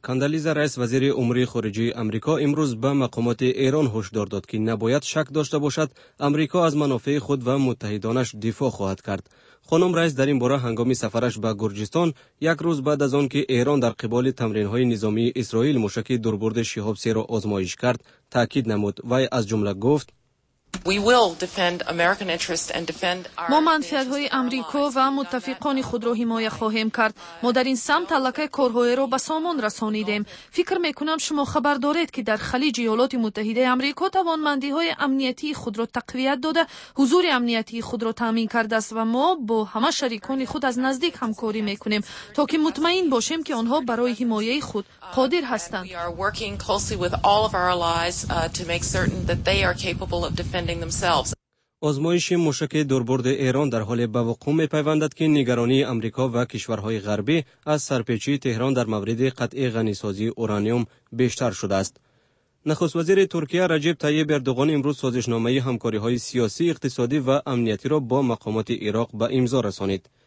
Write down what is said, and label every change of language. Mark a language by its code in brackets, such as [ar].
[fa] کاندالیزا رئیس وزیر امور خارجه امریکا امروز به مقامات ایران هشدار داد که نباید شک داشته باشد امریکا از منافع خود و متحدانش دفاع خواهد کرد. خانم رئیس در این باره هنگامی سفرش به گرجستان یک روز بعد از آن که ایران در قبال تمرین های نظامی اسرائیل موشک دوربرد شهاب 3 را آزمایش کرد تاکید نمود و از جمله گفت: [en] We will defend American interest and defend our [fa] ما منفعت های امریکا و متفقان خود را حمایت خواهیم کرد. ما در این سمت علاقه کارهای را به سامان رسانیدیم. فکر میکنم شما خبر دارید که در خلیج ایالات متحده امریکا توانمندی های امنیتی خود را تقویت داده، حضور امنیتی خود را تامین کرده است و ما با همه شریکان خود از نزدیک همکاری میکنیم تا که مطمئن باشیم که آنها برای حمایت خود قادر هستند. [en] We are working closely with all of our allies to make certain that they are capable of defending themselves. [fa] آزمایش موشک دوربرد ایران در حال به وقوع می‌پیوندد که نگرانی آمریکا و کشورهای غربی از سرپیچی تهران در مورد قطع غنی‌سازی اورانیوم بیشتر شده است. نخست وزیر ترکیه رجب طیب اردوغان امروز سازشنامه‌ی همکاری‌های سیاسی، اقتصادی و امنیتی را با مقامات عراق به امضا رسانید.